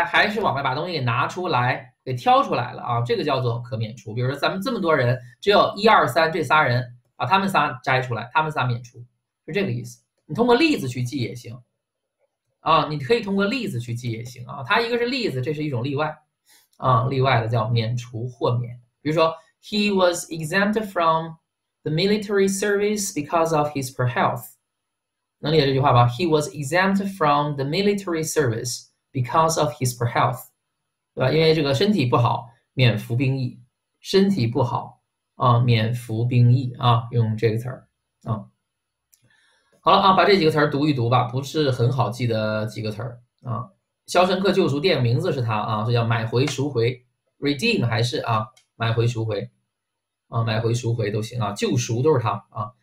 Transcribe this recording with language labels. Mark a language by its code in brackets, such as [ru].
[zh] 还是往外把东西给拿出来。给挑出来了啊，这个叫做可免除。比如说咱们这么多人，只有一二三这仨人，把他们仨摘出来，他们仨免除，是这个意思。你通过例子去记也行，啊，你可以通过例子去记也行啊。它一个是例子，这是一种例外，啊，例外的叫免除豁免。比如说， [en] He was exempted from the military service because of his poor health。 [zh] 能理解这句话吧？ [en] He was exempted from the military service because of his poor health。 [zh] 对吧？因为这个身体不好，免服兵役。身体不好啊，免服兵役啊，用这个词儿啊。好了啊，把这几个词儿读一读吧，不是很好记的几个词儿啊。 《肖申克救赎》电影名字是它啊，这叫买回赎回，redeem 还是啊，买回赎回啊，买回赎回都行啊，救赎都是它啊。